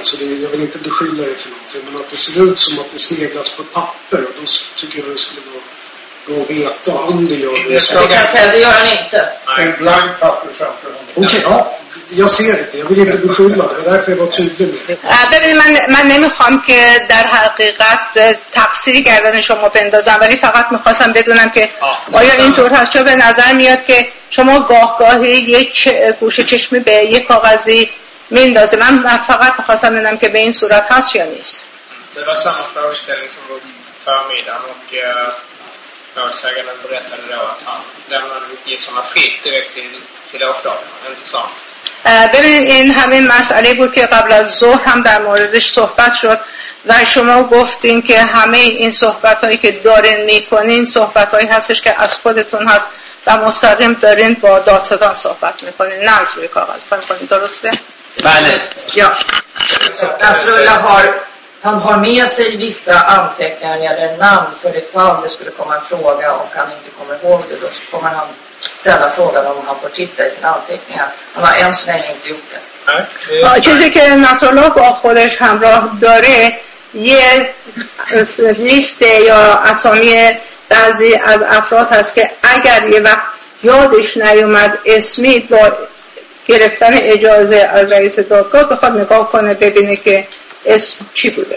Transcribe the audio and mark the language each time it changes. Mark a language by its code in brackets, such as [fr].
[sv] Så jag vill inte beskylla dig för någonting. Men att det ser ut som att det sneglas på papper. Och då tycker jag det skulle vara bra att veta om det gör det. Det kan säga, det gör han inte. En blank papper framför honom. Okej, okay, ja. Jag ser inte. Jag vill inte beskylla dig. Det är därför jag var tydlig med det. Man nämner honom att där har gått [fa] تقصیری گردن شما بندازم، ولی فقط میخواستم بدونم که آیا اینطور هست؟ چون به نظر میاد که شما گاه گاهی یک گوشه چشمی به یک کاغذی میندازه. من فقط میخواستم بدونم که به این صورت هست یا نیست. [sv] Det var samma frågeställning som var förmiddagen och målsägaren berättade då att han lämnade uppgifterna fritt direkt till åklagaren. Intressant. [fa] ببینید این همین مسئله بود که قبل از ظهر هم در موردش صحبت شد و شما گفتین که همه این صحبتهایی که دارین میکنین صحبتهایی هستش که از خودتون هست و مستقیم دارین با دادستان صحبت میکنین نه از روی کاغذ. فهم کنین درسته؟ درسته. Bene. [sv] Ja. Nasrulla har, han har med sig vissa anteckningar eller namn för det fall det skulle komma en fråga och han inte kommer ihåg det, då kommer han ställa frågan om han får titta i sina anteckningar. Han har än så länge inte gjort det. [fa] چیزی که نسولوگ خودش همراه داره یه لیست یا اسامی بعضی از افراد هست که اگر یه وقت یادش نیومد اسمی با گرفتن اجازه از رئیس دادگاه بخواد نگاه کنه ببینه که اسم چی بوده.